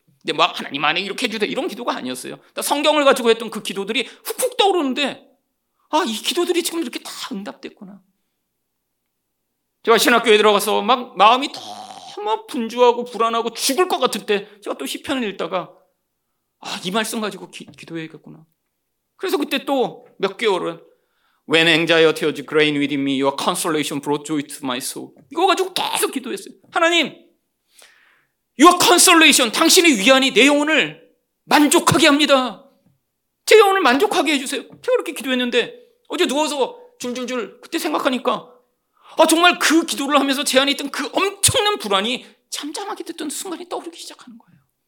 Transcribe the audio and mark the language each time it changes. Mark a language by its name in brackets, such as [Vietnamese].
[Korean] 근데 막 하나님 안에 이렇게 해주세요 이런 기도가 아니었어요. 성경을 가지고 했던 그 기도들이 훅훅 떠오르는데 아, 이 기도들이 지금 이렇게 다 응답됐구나. 제가 신학교에 들어가서 막 마음이 너무 분주하고 불안하고 죽을 것 같을 때 제가 또 시편을 읽다가 아, 이 말씀 가지고 기도해야겠구나. 그래서 그때 또 몇 개월은 [English] When anxiety teared grain within me, your consolation brought joy to my soul. [Korean] 이거 가지고 계속 기도했어요. 하나님, [English] your consolation, [Korean] 당신의 위안이 내 영혼을 만족하게 합니다. 제 영혼을 만족하게 해주세요. 제가 그렇게 기도했는데 어제 누워서 줄줄줄 그때 생각하니까 아 정말 그 기도를 하면서 제 안에 있던 그 엄청난 불안이 잠잠하게 됐던 순간이 떠오르기 시작하는 거예요.